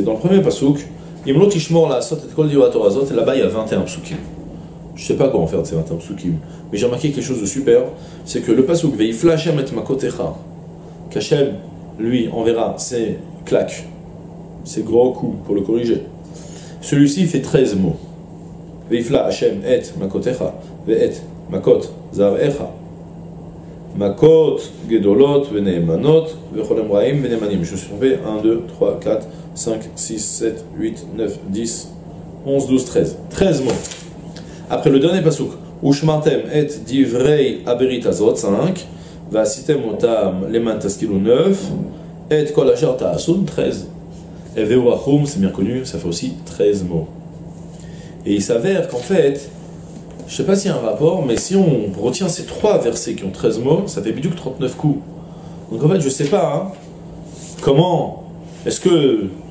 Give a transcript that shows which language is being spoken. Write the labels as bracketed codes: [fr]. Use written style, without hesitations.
[fr] Dans le premier pasouk, [he] Im lo tishmor la sot et kol divrei Torah azot, [fr] là-bas il y a 21 psukim. Je sais pas quoi en faire de ces 21 psukim, mais j'ai remarqué quelque chose de super, c'est que le pasouk [he] Veifla Hashem et makotecha, [fr] qu'Hashem, lui, enverra ses claques, ses gros coups pour le corriger. Celui-ci fait 13 mots. [he] ויפלא השם את מכותיך ואת מכות זרעך. מכות גדולות ונאמנות וכל הם רעים ונאמנים. [fr] Je suis tombé 1, 2, 3, 4, 5, 6, 7, 8, 9, 10, 11, 12, 13. 13 mots. Après le dernier pasouk, [he] ושמרתם את דברי הברית הזאת, 5, ועשיתם אותם למען תשכילו 9, את כל אשר תעשו, 13. [fr] Et Veurachum, c'est bien connu, ça fait aussi 13 mots. Et il s'avère qu'en fait, je ne sais pas s'il y a un rapport, mais si on retient ces 3 versets qui ont 13 mots, ça fait bidouk 39 coups. Donc en fait, je ne sais pas hein, comment. Est-ce que.